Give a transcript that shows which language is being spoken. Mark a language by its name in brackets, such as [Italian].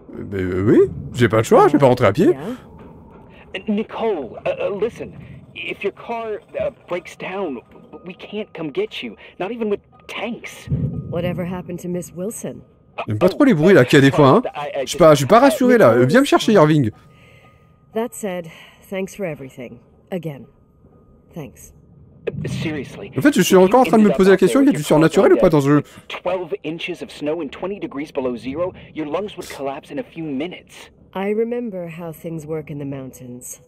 [French] Oui, j'ai pas le choix, je vais pas rentrer à pied. [English] Yeah. Nicole, listen, if your car breaks down, we can't come get you, not even with tanks. Whatever happened to Miss Wilson? [French] J'aime pas trop les bruits là qu'il y a des fois, hein. Je suis pas rassuré là. Viens me chercher, Irving. [English] That said, thanks for everything. Again, thanks. Seriously. [French] En fait, je suis encore en train de me poser la question. Il y a du surnaturel ou pas dans ce jeu? [English] 12 inches of snow and 20 degrees below zero. Your lungs would collapse in a few minutes. I remember how things work in the mountains.